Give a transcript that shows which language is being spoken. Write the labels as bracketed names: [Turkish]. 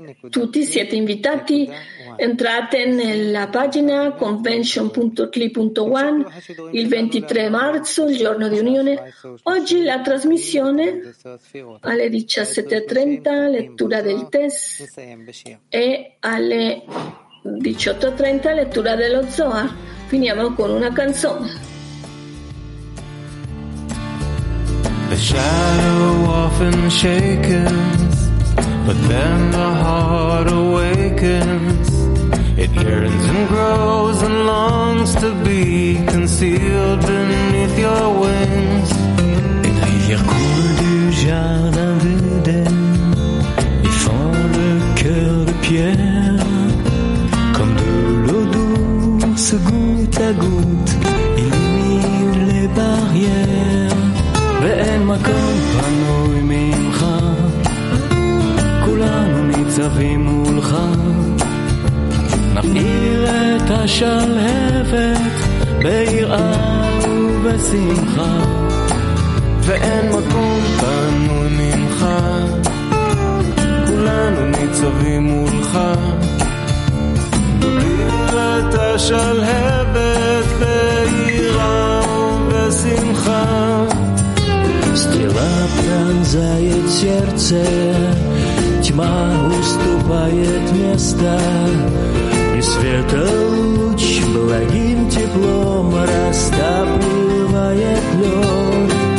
[Italian] Tutti siete invitati, entrate nella pagina convention.tli.one il 23 marzo, il giorno di unione. Oggi la trasmissione alle 17.30, lettura del test, e alle 18.30 lettura dello Zohar. Finiamo con una canzone. [English] The shadow often shakens, but then the heart awakens. It yearns and grows and longs to be concealed beneath your wings. [French] Une rivière coule du jardin d'Eden, y fend le cœur de pierre. Comme de l'eau douce, goutte à goutte, illumine les barrières. [Hebrew] ואין מקום פנוי ממך, כולנו ניצבים מולך. נפעיר את השלהבת ביראה ובשמחה. ואין מקום פנוי ממך, כולנו ניצבים מולך. נפעיר את השלהבת ביראה ובשמחה. [Russian] Стрела пронзает сердце, тьма уступает место. И света луч благим теплом растапливает лед.